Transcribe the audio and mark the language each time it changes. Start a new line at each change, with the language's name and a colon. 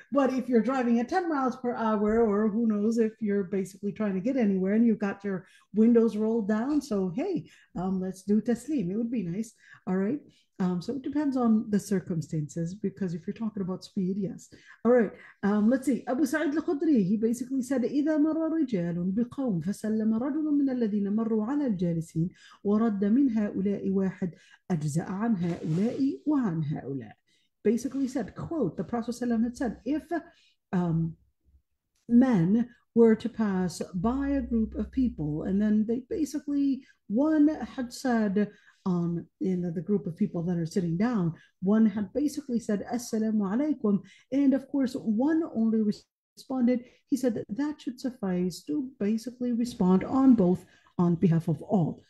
English: But if you're driving at 10 miles per hour, or who knows if you're basically trying to get anywhere and you've got your windows rolled down. So, hey, let's do taslim. It would be nice. All right. So it depends on the circumstances, because if you're talking about speed, yes. All right. Let's see. Abu Sa'id al-Khudri, he basically said,
Arabic: إِذَا مَرَّ رِجَالٌ بِقَوْمٍ فَسَلَّمَ رَجُلٌ مِنَ الَّذِينَ مَرُّوا عَلَى الْجَالِسِينَ وَرَدَّ مِنْ هَؤُلَاءِ وَاحِدْ أَجْزَأَ عَنْ هَؤُلَاءِ وَعَنْ هَؤُلَاءِ.
English: Basically said, quote, the Prophet ﷺ had said, if men were to pass by a group of people, and then they basically, one had said, the group of people that are sitting down, one had basically said, assalamu alaikum, and of course, one only responded, he said that should suffice to basically respond on both, on behalf of all.